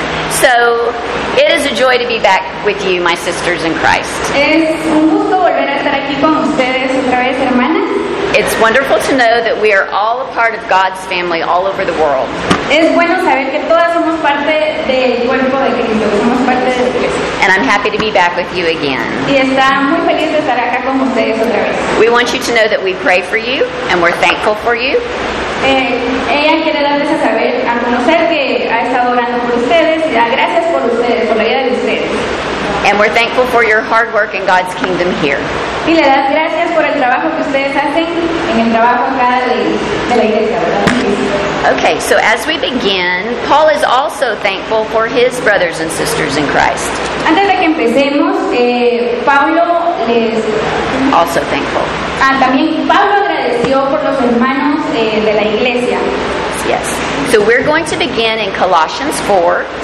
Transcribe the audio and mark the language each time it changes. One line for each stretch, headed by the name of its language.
English: So, it is a joy to be back with you, my sisters in Christ.
Spanish: Es un gusto volver a estar aquí con ustedes otra vez, hermanas.
English: It's wonderful to know that we are all a part of God's family all over the world.
Spanish: Es bueno saber que todas somos parte del cuerpo de Cristo, somos parte de Cristo.
English: And I'm happy to be back with you again.
Spanish: Y está muy feliz de estar acá con ustedes otra vez.
English: We want you to know that we pray for you and we're thankful for you.
Spanish: Ella quiere darles a saber, a conocer que ha estado orando por ustedes y da gracias por ustedes, por la vida de ustedes.
English: And we're thankful for your hard work in God's kingdom here.
Spanish: Y le das gracias por el trabajo que ustedes hacen en el trabajo acá de la iglesia, ¿verdad?
English: Okay, so as we begin, Paul is also thankful for his brothers and sisters in Christ.
Spanish: Antes de que empecemos, Pablo les...
English: Also thankful.
Spanish: También Pablo agradeció por los hermanos de la iglesia.
English: Yes. So we're going to begin in Colossians 4.